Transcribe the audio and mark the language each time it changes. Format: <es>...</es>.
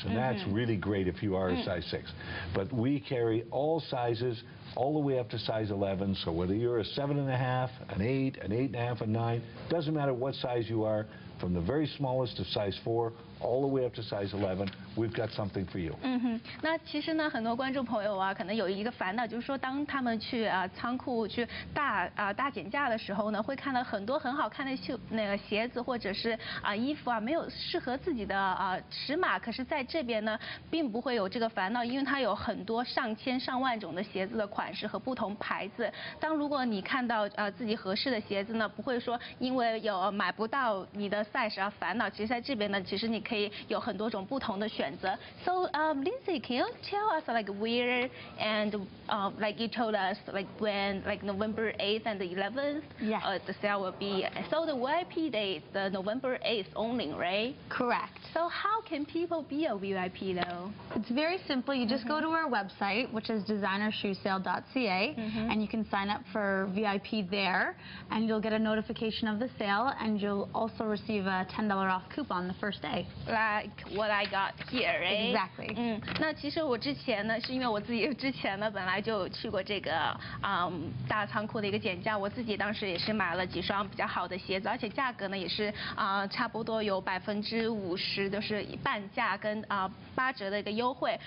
<en>And that's really great if you are a size 6. But we carry all sizes all the way up to size 11. So whether you're a 7.5, an 8, an 8.5, a 9, doesn't matter what size you are, from the very smallest of size 4 all the way up to size 11, we've got something for you.</en> <zh>那其实呢，很多观众朋友啊，可能有一个烦恼，就是说当他们去仓库去大减价的时候呢，会看到很多很好看的鞋子或者是衣服啊，没有适合自己的尺码。可是在这边呢，并不会有这个烦恼，因为它有很多上千上万种的鞋子的款式和不同牌子。当如果你看到自己合适的鞋子呢，不会说因为有买不到你的 size 而烦恼。其实在这边呢，其实你可以有很多种不同的选择。</zh> <en>So Lindsay, can you tell us like where and like you told us like when like November 8th and the 11th? Yeah. The sale will be. So the VIP day is the November 8th only, right? Correct. So how can people be a VIP though? It's very simple. You just go to our website, which is designershoesale.ca, and you can sign up for VIP there, and you'll get a notification of the sale, and you'll also receive receive a $10 off coupon the first day. Like what I got here, right? Exactly.</en> <zh>那其实我之前呢，是因为我自己之前呢，本来就去过这个大仓库的一个减价，我自己当时也是买了几双比较好的鞋子，而且价格呢也是差不多有50%，就是半价跟八折的一个优惠。</zh>